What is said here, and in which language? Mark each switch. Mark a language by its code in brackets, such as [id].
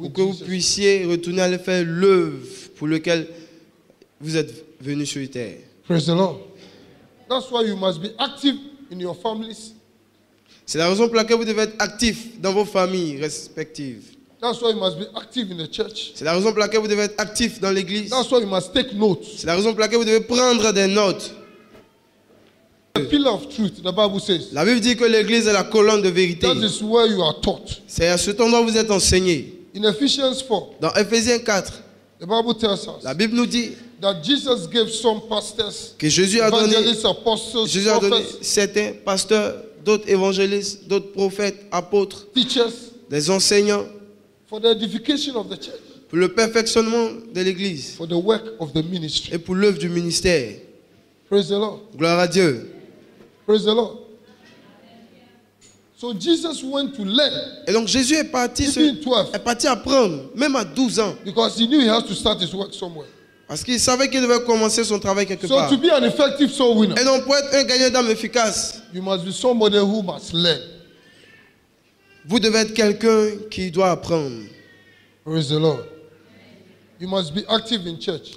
[fr] pour que vous puissiez retourner aller faire l'œuvre pour laquelle vous êtes venu sur terre. [en] Praise the Lord. That's why you must be active in your families. [fr] C'est la raison pour laquelle vous devez être actif dans vos familles respectives. [en] That's why you must be active in the church. [fr] C'est la raison pour laquelle vous devez être actif dans l'église. [en] That's why you must take notes. [fr] C'est la raison pour laquelle vous devez prendre des notes. [en] The pillar of truth, the Bible says. [fr] La Bible dit que l'église est la colonne de vérité. [en] That is where you are taught. [fr] C'est à cet endroit où vous êtes enseigné. [en] In Ephesians 4. [fr] Dans Ephésiens 4. [en] The Bible tells us. [fr] La Bible nous dit [en] that Jesus gave some pastors, [fr] que Jésus a donné, [en] apostles, [fr] Jésus [en] prophets, [fr] a donné certains pasteurs, d'autres évangélistes, d'autres prophètes, apôtres, [en] teachers, [fr] des enseignants, [en] for the edification of the church, [fr] pour le perfectionnement de l'église, [en] for the work of the ministry, [fr] et pour l'œuvre du ministère. [en] Praise the Lord. [fr] Gloire à Dieu. [en] Praise the Lord. So Jesus went to learn. [fr] Et donc Jésus est parti, est parti apprendre, même à 12 ans, [en] because he knew he has to start his work somewhere. [fr] Parce qu'il savait qu'il devait commencer son travail quelque part. [en] To be an effective soul winner, [fr] et donc pour être un gagnant d'âme efficace, [en] you must be somebody who must learn. [fr] Vous devez être quelqu'un qui doit apprendre. [en] Praise the Lord. You must be active in church.